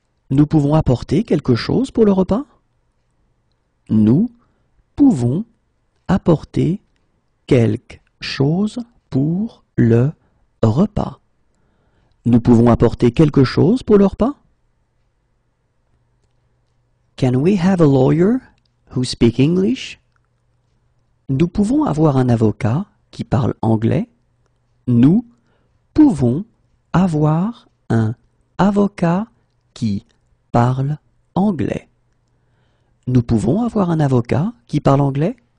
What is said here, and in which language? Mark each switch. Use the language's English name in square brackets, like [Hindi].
[French] Nous pouvons apporter quelque chose pour le repas? Nous pouvons apporter quelque chose pour le repas. Nous pouvons apporter quelque chose pour le repas? [English] Can we have a lawyer who speaks English? [French] Nous pouvons avoir un avocat qui parle anglais? Nous pouvons avoir un avocat qui parle anglais. Nous pouvons avoir un avocat qui parle anglais?